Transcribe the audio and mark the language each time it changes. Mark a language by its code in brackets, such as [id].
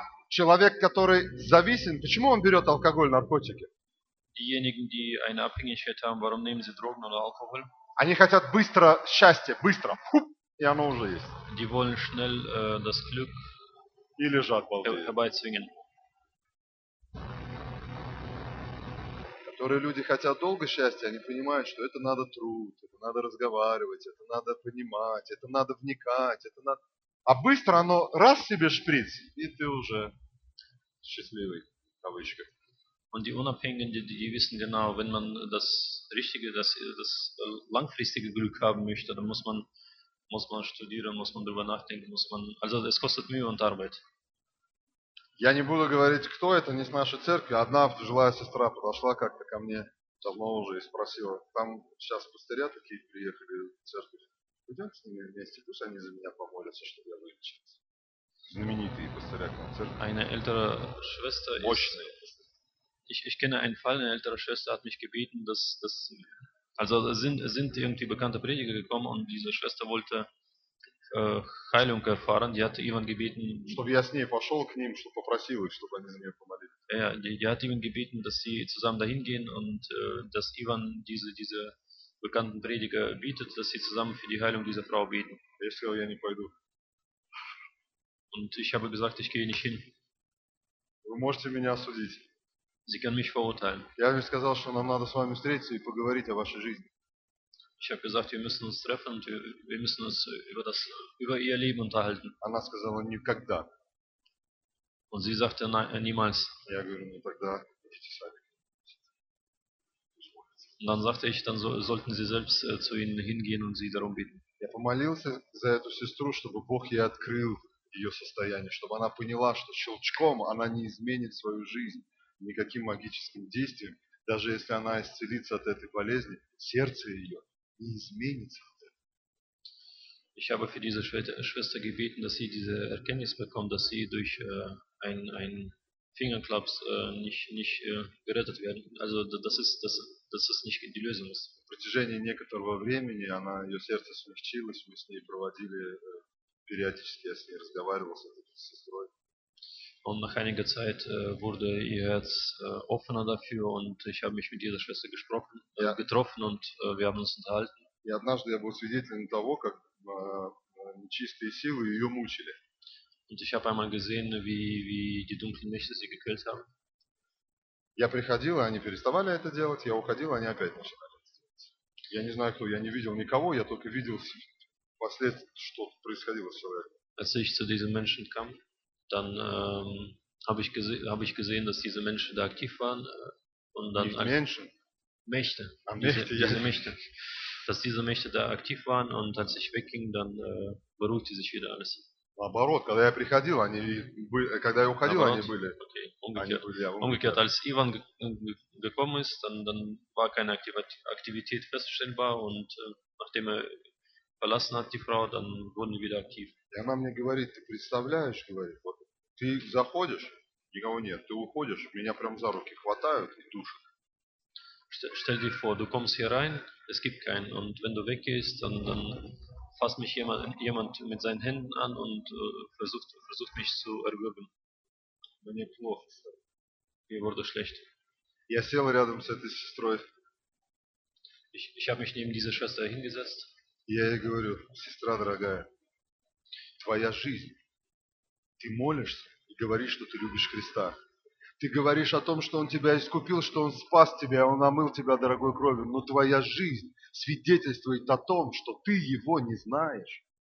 [ru] Человек, который зависим, почему он берет алкоголь, наркотики? [de] Diejenigen, die eine Abhängigkeit haben, warum nehmen sie Drogen oder Alkohol? [ru] Они хотят быстро счастье, быстро, хуп, и оно уже есть. [de] Die wollen schnell das Glück herbeizwingen. [ru] Которые люди хотят долго счастья, они понимают, что это надо труд, это надо разговаривать, это надо понимать, это надо вникать, это надо... А быстро оно раз себе шприц, и ты уже счастливый, в кавычках. [de] Und die Unabhängigen, die wissen genau, wenn man das richtige, das langfristige Glück haben möchte, dann muss man studieren, muss man darüber nachdenken, muss man... Also es kostet Mühe und Arbeit. [ru] Я не буду говорить, кто это, не с нашей церкви. Одна пожилая сестра подошла как-то ко мне давно уже и спросила. Там сейчас пастыря такие приехали в церковь. Пойдем с ними вместе, пусть они за меня помолятся, чтобы я вылечился. Знаменитые пастыря к нам в церкви. [de] Eine ältere Schwester ist... [ru] Мощные. [de] Ich kenne einen Fall, eine ältere Schwester hat mich gebeten, dass also sind irgendwie bekannte Prediger gekommen und diese Schwester wollte Heilung erfahren. Die hatte jemand gebeten, [ru] чтобы я с ней пошел к ним, чтобы попросил их, чтобы они за меня помолились. [de] Ja, die hat ihm gebeten, dass sie zusammen dahin gehen und dass Ivan diese bekannten Prediger bietet, dass sie zusammen für die Heilung dieser Frau beten. [ru] Я сказал, я не пойду. [de] Und ich habe gesagt, ich gehe nicht hin. [ru] Вы можете меня судить. [de] Sie können mich verurteilen. [ru] Я ему сказал, что нам надо с вами встретиться и поговорить о вашей жизни. [de] Ich habe gesagt, wir müssen uns treffen und wir müssen uns über ihr Leben unterhalten. [ru] Она сказала, никогда. [de] Und sie sagte, niemals. [ru] Я говорю, ну тогда идите сами. [de] Und dann sagte ich, dann sollten sie selbst zu ihnen hingehen und sie darum bitten. [ru] Я помолился за эту сестру, чтобы Бог ей открыл ее состояние, чтобы она поняла, что щелчком она не изменит свою жизнь. Никаким магическим действием, даже если она исцелится от этой болезни, сердце ее не изменится. [de] Ich habe für diese Schwester gebeten, dass sie diese Erkenntnis bekommt, dass sie durch ein Fingerklaps nicht gerettet werden. Also das ist nicht die Lösung. [ru] В протяжении некоторого времени она ее сердце смягчилось, мы с ней проводили периодически, я с ней разговаривал с этой сестрой. [de] Und nach einiger Zeit wurde ihr Herz offener dafür und ich habe mich mit dieser Schwester gesprochen, ja. Getroffen und wir haben uns unterhalten. [ru] И однажды я был свидетелем того, как нечистые силы ее мучили. [de] Und ich habe einmal gesehen, wie die dunklen Mächte sie gequält haben. [ru] Я приходил, они переставали это делать, я уходил, они опять начинали это делать. Я не знаю кто, я не видел никого, я только видел впоследствии, что происходило с человеком. [de] Als ich zu diesen Menschen kam, dann habe ich gesehen, dass diese Menschen da aktiv waren und dann nicht Menschen, Mächte, Mächte, diese Mächte, dass diese Mächte da aktiv waren und als ich wegging, dann beruhigte sich wieder alles. [ru] Наоборот, когда я приходил, они были, когда я уходил, они были. Okay. [de] Umgekehrt, als Ivan gekommen ist, dann war keine Aktivität feststellbar und nachdem er verlassen hat die Frau, dann wurden sie wieder aktiv. [ru] И она мне говорит, ты представляешь, говорит, вот ты заходишь, никого нет, ты уходишь, меня прям за руки хватают и душат. [de] Stell dir vor, du kommst hier rein, es gibt keinen, und wenn du weggehst, dann fasst mich jemand mit seinen Händen an und versucht mich zu erwürgen. [ru] Мне плохо стало. [de] Mir wurde schlecht. [ru] Я сел рядом с этой сестрой. [de] Ich habe mich neben dieser Schwester hingesetzt. [ru] Я ей говорю, сестра дорогая, твоя жизнь. Ты молишься и говоришь, что ты любишь Христа. Ты говоришь о том, что Он тебя искупил, что Он спас тебя, Он омыл тебя дорогой кровью. Но твоя жизнь свидетельствует о том, что ты Его не знаешь.